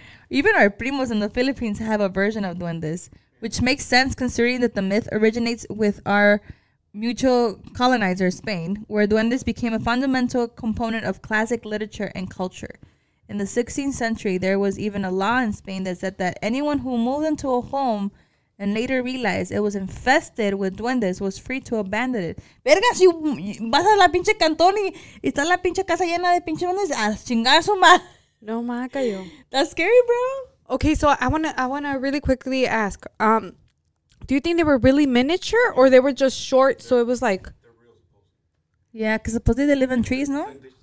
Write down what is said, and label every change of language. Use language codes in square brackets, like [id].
[en] even our [es] primos [en] in the Philippines have a version of duendes, which makes sense considering that the myth originates with our mutual colonizer, Spain, where duendes became a fundamental component of classic literature and culture. In the 16th century, there was even a law in Spain that said that anyone who moved into a home and later realized it was infested with duendes, was free to abandon it. [es] Verga, si vas a la pinche cantón y está la pinche casa llena de pinche duendes, a chingar su madre. No, ma, cayó. [en] That's scary, bro. Okay, so I wanna really quickly ask, do you think they were really miniature or they were just short, so it was like... Yeah, because supposedly they live in trees, [es] no?